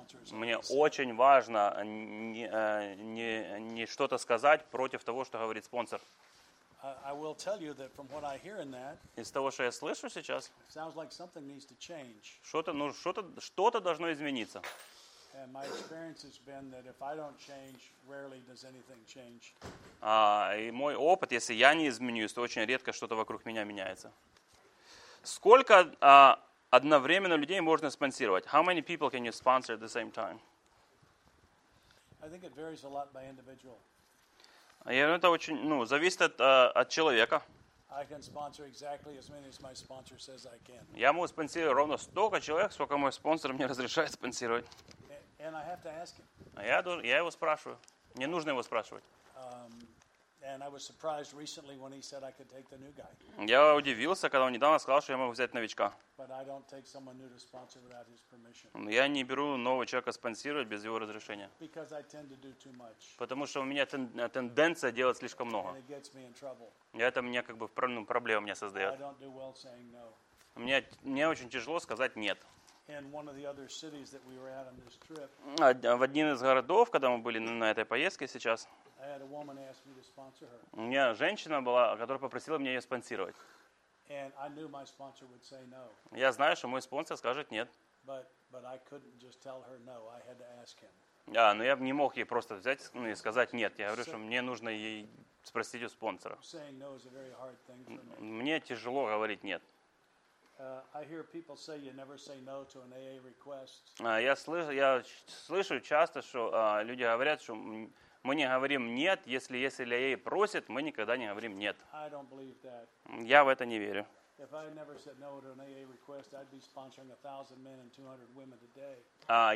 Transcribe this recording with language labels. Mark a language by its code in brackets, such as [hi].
[ru] Мне очень важно не что-то сказать против того, что говорит спонсор. [en] I will tell you that from what I hear in that. [ru] Из того, что я слышу сейчас. [en] Sounds like something needs to change. [ru] Что-то должно измениться. [en] And my experience has been that if I don't change, rarely does anything change. [ru] И мой опыт, если я не изменюсь, то очень редко что-то вокруг меня меняется. Сколько одновременно людей можно спонсировать? [en] How many people can you sponsor at the same time? I think it varies a lot by individual. [ru] Это очень, зависит от человека. [en] I can sponsor exactly as many as my sponsor says I can. [ru] Я могу спонсировать ровно столько человек, сколько мой спонсор мне разрешает спонсировать. [en] And I have to ask him. [ru] Я его спрашиваю. Мне нужно его спрашивать. [en] And I was surprised recently when he said I could take the new guy. [ru] Я удивился, когда он недавно сказал, что я могу взять новичка. [en] But I don't take someone new to sponsor without his permission. [ru] Я не беру нового человека спонсировать без его разрешения. [en] Because I tend to do too much. [ru] Потому что у меня тенденция делать слишком много. [en] And it gets me in trouble. [ru] Это мне проблемы мне создает. [en] I don't do well saying no. [ru] Мне очень тяжело сказать нет. [en] In one of the other cities that we were at on this trip. [ru] В один из городов, когда мы были на этой поездке сейчас. [en] I had a woman ask me to sponsor her. [ru] У меня женщина была, которая попросила меня ее спонсировать. [en] And I knew my sponsor would say no. [ru] Я знаю, что мой спонсор скажет нет. [en] But I couldn't just tell her no. I had to ask him. [ru] Но я не мог ей просто взять и сказать нет. Я говорю, что мне нужно ей спросить у спонсора. [en] Saying no is a very hard thing for me. [ru] Мне тяжело говорить нет. [en] I hear people say you never say no to an AA request. [ru] Я слышу часто, что люди говорят, что мы не говорим нет, если AA просит, мы никогда не говорим нет. [en] I don't believe that. [ru] Я в это не верю. [en] If I never said no to an AA request, I'd be sponsoring 1,000 men and 200 women a day.